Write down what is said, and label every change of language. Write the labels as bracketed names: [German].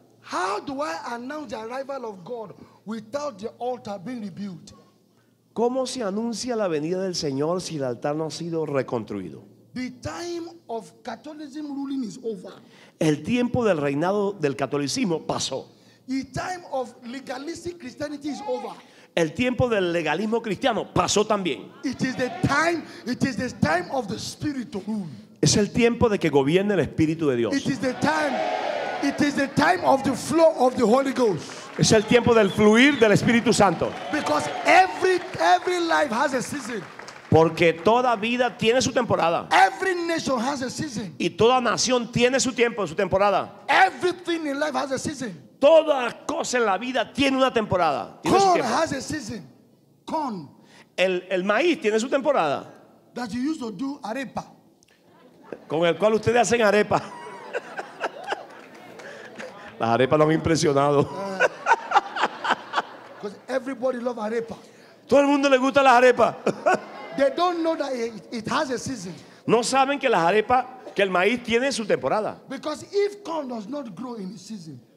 [English] How do I announce the arrival of God without the altar being rebuilt? [Spanish] ¿Cómo se anuncia la venida del Señor si el altar no ha sido reconstruido? [English] The time of Catholicism ruling is over. [Spanish] El tiempo del reinado del catolicismo pasó. [English] The time of legalistic Christianity is over. [Spanish] El tiempo del legalismo cristiano pasó también. [English] It is the time of the Spirit to rule. [Spanish] Es el tiempo de que gobierne el Espíritu de Dios. [English] It is the time of the flow of the Holy Ghost. [Spanish] Es el tiempo del fluir del Espíritu Santo. [English] Because every life has a season. [Spanish] Porque toda vida tiene su temporada. [English] Every nation has a season. [Spanish] Y toda nación tiene su tiempo, su temporada. [English] Everything in life has a season. [Spanish] Toda cosa en la vida tiene una temporada. [English] Corn has a season. Corn. [Spanish] El maíz tiene su temporada. [English] That you used to do arepa. [Spanish] Con el cual ustedes hacen arepa. Las arepas lo han impresionado. [English] Because everybody loves arepa. [Spanish] Todo el mundo le gusta las arepas. [English] They don't know that it has a season. [Spanish] No saben que las arepas, que el maíz tiene su temporada. [English] Because if corn does not grow in its season.